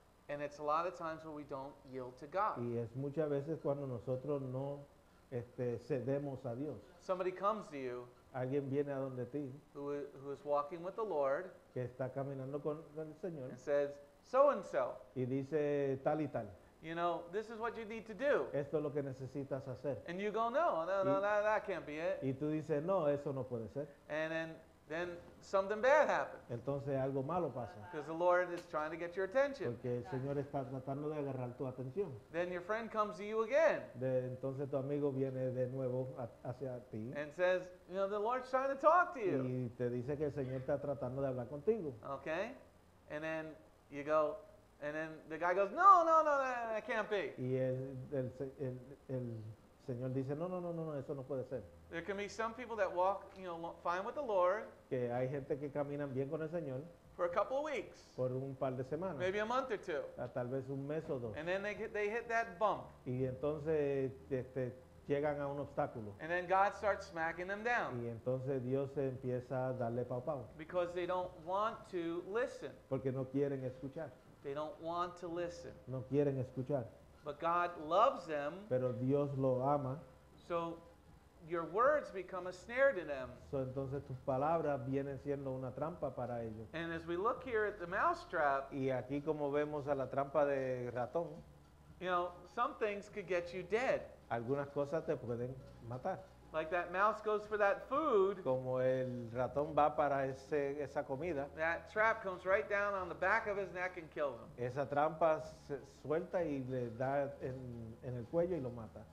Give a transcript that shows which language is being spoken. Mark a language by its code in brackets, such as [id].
[en] And it's a lot of times when we don't yield to God. [es] Y es muchas veces cuando nosotros no cedemos a Dios. [en] Somebody comes to you. [es] Alguien viene a donde ti. [en] Who is walking with the Lord. [es] Que está caminando con el Señor. [en] And says, so and so. [es] Y dice tal y tal. [en] You know, this is what you need to do. [es] Esto es lo que necesitas hacer. [en] And you go, no, that can't be it. [es] Y tú dices, no, eso no puede ser. [en] And then something bad happens. [es] Entonces algo malo pasa. [en] Because the Lord is trying to get your attention. [es] Porque el Señor está tratando de agarrar tu atención. [en] Then your friend comes to you again. [es] Entonces tu amigo viene de nuevo hacia ti. [en] And says, you know, the Lord's trying to talk to you. [es] Y te dice que el Señor está tratando de hablar contigo. [en] Okay. And then you go, And then the guy goes, no, no, no, that can't be. [es] Y el Señor dice, no, no, no, no, eso no puede ser. [en] There can be some people that walk, you know, fine with the Lord. [es] Que hay gente que caminan bien con el Señor. [en] For a couple of weeks. [es] Por un par de semanas. [en] Maybe a month or two. [es] Tal vez un mes o dos. [en] And then they hit that bump. [es] Y entonces llegan a un obstáculo. [en] And then God starts smacking them down. [es] Y entonces Dios empieza a darle pau pau. [en] Because they don't want to listen. [es] Porque no quieren escuchar. [en] They don't want to listen. [es] No quieren escuchar. [en] But God loves them. [es] Pero Dios lo ama. [en] So your words become a snare to them. [es] So entonces tus palabras vienen siendo una trampa para ellos. [en] And as we look here at the mousetrap. [es] Y aquí como vemos a la trampa de ratón. [en] You know, some things could get you dead. [es] Algunas cosas te pueden matar. [en] Like that mouse goes for that food. [es] Como el ratón va para esa comida. [en] That trap comes right down on the back of his neck and kills him. [es] Esa trampa se suelta y le da en el cuello y lo mata.